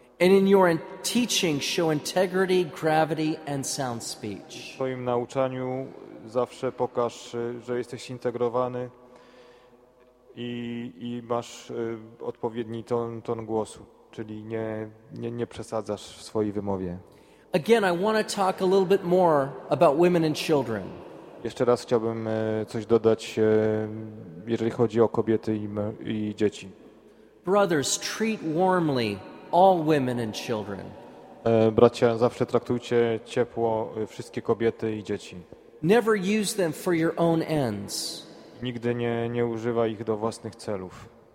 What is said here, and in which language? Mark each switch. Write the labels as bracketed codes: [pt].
[en] And in your teaching show integrity, gravity and sound speech. [pl] W swoim nauczaniu zawsze pokaż, że jesteś integrowany i masz odpowiedni ton głosu, czyli nie przesadzasz w swojej wymowie. [en] Again, I want to talk a little bit more about women and children. [pl] Jeszcze raz chciałbym coś dodać, jeżeli chodzi o kobiety i dzieci. [en] Brothers, treat warmly all women and children. [pl] Bracia, zawsze traktujcie ciepło wszystkie kobiety i dzieci. [en] Never use them for your own ends. [pl] Nigdy nie używaj ich do własnych celów.